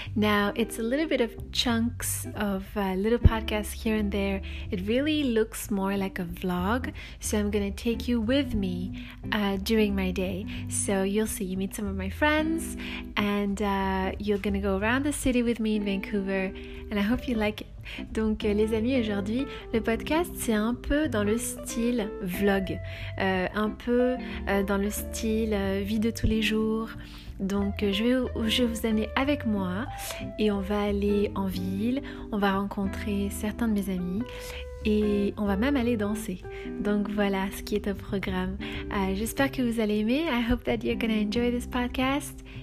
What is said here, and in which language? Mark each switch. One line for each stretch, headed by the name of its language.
English: Now, it's a little bit of chunks of little podcasts here and there. It really looks more like a vlog. So I'm going to take you with me during my day. So you'll see, you meet some of my friends and you're going to go around the city with me in Vancouver. And I hope you like it.
French: Donc les amis, aujourd'hui, le podcast c'est un peu dans le style vlog, dans le style vie de tous les jours. Donc je vais vous amener avec moi et on va aller en ville, on va rencontrer certains de mes amis et on va même aller danser. Donc voilà ce qui est au programme. J'espère que vous allez aimer.
English: I hope that you're gonna enjoy this podcast.